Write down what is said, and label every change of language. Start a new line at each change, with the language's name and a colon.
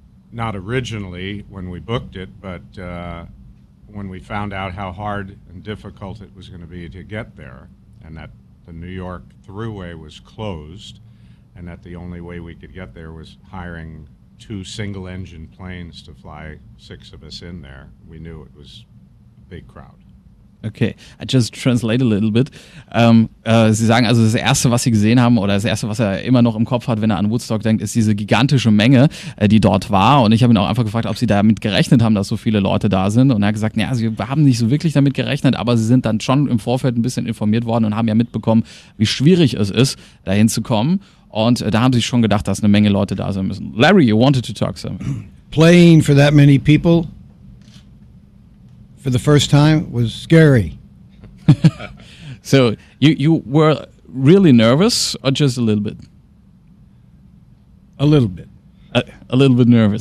English: Not originally when we booked it, but when we found out how hard and difficult it was going to be to get there, and that the New York Thruway was closed, and that the only way we could get there was hiring two single-engine planes to fly six of us in there, we knew it was a big crowd. Okay, I just translate a little bit.
German: Sie sagen also, das Erste, was Sie gesehen haben oder das Erste, was er immer noch im Kopf hat, wenn er an Woodstock denkt, ist diese gigantische Menge, die dort war. Und ich habe ihn auch einfach gefragt, ob Sie damit gerechnet haben, dass so viele Leute da sind. Und er hat gesagt, naja, Sie haben nicht so wirklich damit gerechnet, aber Sie sind dann schon im Vorfeld ein bisschen informiert worden und haben ja mitbekommen, wie schwierig es ist, da hinzukommen. Und da haben Sie schon gedacht, dass eine Menge Leute da sein müssen.
English: Larry, you wanted to talk something. Playing for that many people for the first time was scary. So you were really nervous or just a little bit? A little bit. A little bit nervous.